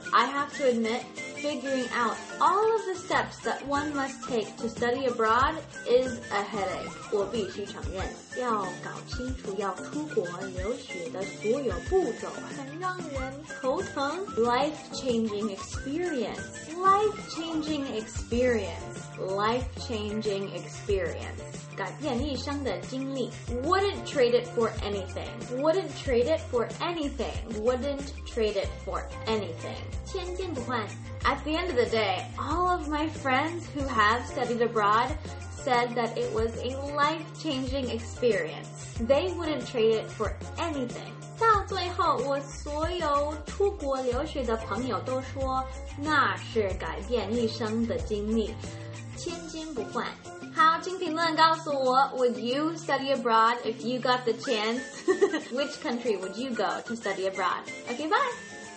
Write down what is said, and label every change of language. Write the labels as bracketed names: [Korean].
[English] I have to admit, figuring out all of the steps that one must take to study abroad is a headache. [Chinese] 我必须承认，要搞清楚要出国留学的所有步骤很让人头疼。 [English] Life-changing experience. Life-changing experience. Life-changing experience. [Chinese] 改变一生的经历。 [English] Wouldn't trade it for anything. Wouldn't trade it for anything. Wouldn't trade it for anything. [Chinese] 千金不换。 [English] At the end of the day, all of my friends who have studied abroad said that it was a life-changing experience. They wouldn't trade it for anything. [Chinese] 到最后，我所有出国留学的朋友都说，那是改变一生的经历，千金不换。好，请评论告诉我 [English] ，Would you study abroad if you got the chance? Which country would you go to study abroad? Okay, bye.